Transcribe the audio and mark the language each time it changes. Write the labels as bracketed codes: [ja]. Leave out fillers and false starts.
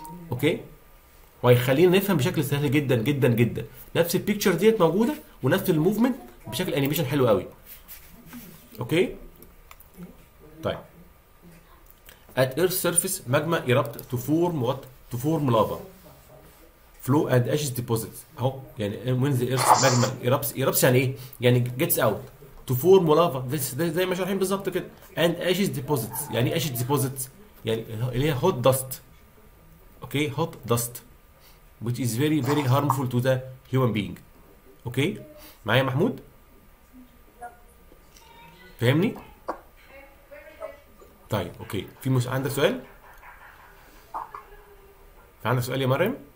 [ar] اوكي؟ وهيخلينا نفهم بشكل سهل جدا جدا جدا. نفس البيكتشر ديت موجوده ونفس الموفمنت بشكل انيميشن حلو قوي. اوكي؟ طيب. [en] At Earth's surface magma erupt to form what? to form lava. flow and ashes deposits. [ar] اهو يعني [en] when the Earth's magma erupts [ar] يعني ايه؟ يعني [en] gets out. to form lava [ar] زي ما شارحين بالظبط كده [en] and ashes deposits. [ar] يعني [en] ashes deposits [ar] يعني اللي هي [en] hot dust. okay hot dust which is very very harmful to the human being. [ar] okay معايا محمود؟ فهمني؟ طيب اوكي في عندك سؤال؟ في عندك سؤال يا مريم؟